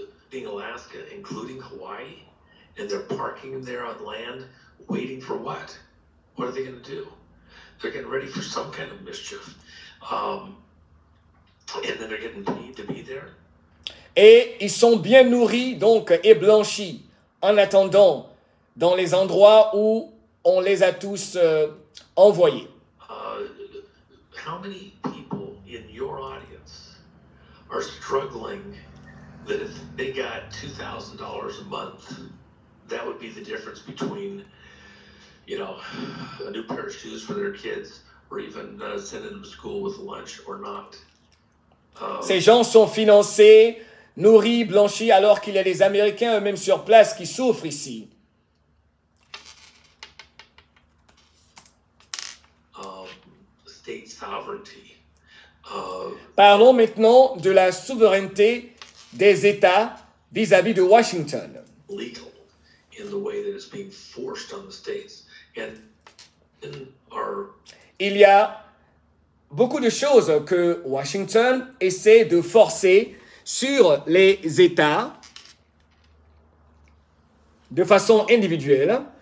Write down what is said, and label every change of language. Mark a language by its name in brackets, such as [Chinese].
[English] Being Alaska, including Hawaii, and they're parking there on land, waiting for what? What are they going to do? They're getting ready for some kind of mischief. And then they're getting paid to be there. [French] Et ils sont bien nourris donc et blanchis en attendant dans les endroits où on les a tous envoyés. [English] How many people in your audience are struggling? That if they got $2,000 a month, that would be the difference between, you know, a new pair of shoes for their kids, or even sending them to school with lunch or not. [French] Ces gens sont financés, nourris, blanchis, alors qu'il y a les Américains eux-mêmes sur place qui souffrent ici. [English] State sovereignty. [French] Parlons maintenant de la souveraineté des États vis-à-vis de Washington. [English] Legal in the way that it's being forced on the states. And in our... [French] Il y a beaucoup de choses que Washington essaie de forcer sur les États de façon individuelle.